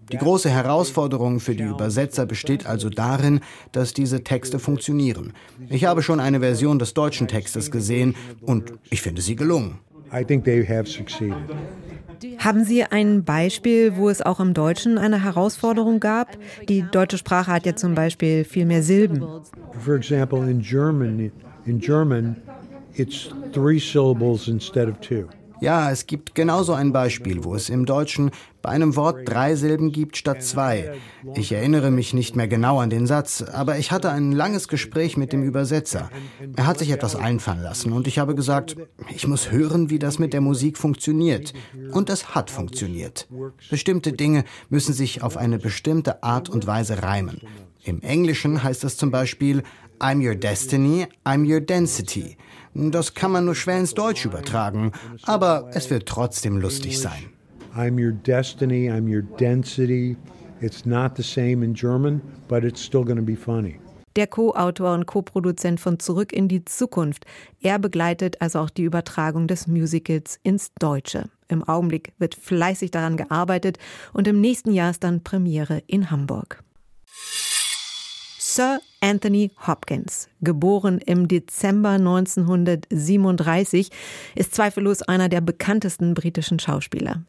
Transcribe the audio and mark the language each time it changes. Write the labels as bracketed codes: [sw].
[de] Die große Herausforderung für die Übersetzer besteht also darin, dass diese Texte funktionieren. Ich habe schon eine Version des deutschen Textes gesehen und ich finde sie gelungen. [en] I think they have succeeded. [de] Haben Sie ein Beispiel, wo es auch im Deutschen eine Herausforderung gab? Die deutsche Sprache hat ja zum Beispiel viel mehr Silben. [en] For example, in German it's three syllables instead of two. [de] Ja, es gibt genauso ein Beispiel, wo es im Deutschen bei einem Wort drei Silben gibt statt zwei. Ich erinnere mich nicht mehr genau an den Satz, aber ich hatte ein langes Gespräch mit dem Übersetzer. Er hat sich etwas einfallen lassen und ich habe gesagt, ich muss hören, wie das mit der Musik funktioniert. Und es hat funktioniert. Bestimmte Dinge müssen sich auf eine bestimmte Art und Weise reimen. Im Englischen heißt das zum Beispiel: [en] I'm your destiny, I'm your density. [de] Das kann man nur schwer ins Deutsch übertragen, aber es wird trotzdem lustig sein. [en] I'm your destiny, I'm your density. It's not the same in German, but it's still going to be funny. [de] Der Co-Autor und Co-Produzent von Zurück in die Zukunft, er begleitet also auch die Übertragung des Musicals ins Deutsche. Im Augenblick wird fleißig daran gearbeitet und im nächsten Jahr ist dann Premiere in Hamburg. Sir Anthony Hopkins, geboren im Dezember 1937, ist zweifellos einer der bekanntesten britischen Schauspieler.